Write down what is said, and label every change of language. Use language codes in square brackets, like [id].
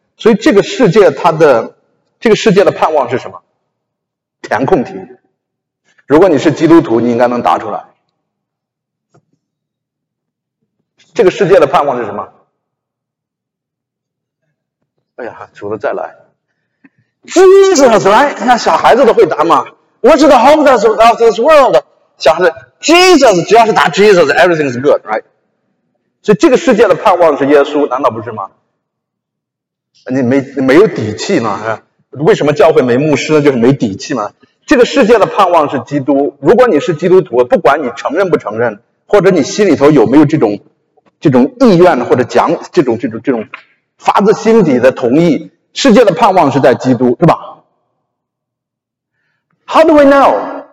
[zh] 所以这个世界的盼望是什么？填空题，如果你是基督徒，你应该能答出来。这个世界的盼望是什么？哎呀，主的再来 ，Jesus， right？那小孩子都会答嘛 ？ [en] What's the hope of this world？ [zh] 小孩子 ，Jesus， 只要是答 Jesus， [en] everything is good， right？ [zh] 所以这个世界的盼望是耶稣，难道不是吗？你没有底气呢，是吧？为什么教会没牧师呢？就是没底气嘛。这个世界的盼望是基督。如果你是基督徒，不管你承认不承认，或者你心里头有没有这种意愿，或者讲这种发自心底的同意，世界的盼望是在基督，对吧 ？ [en] How do we know？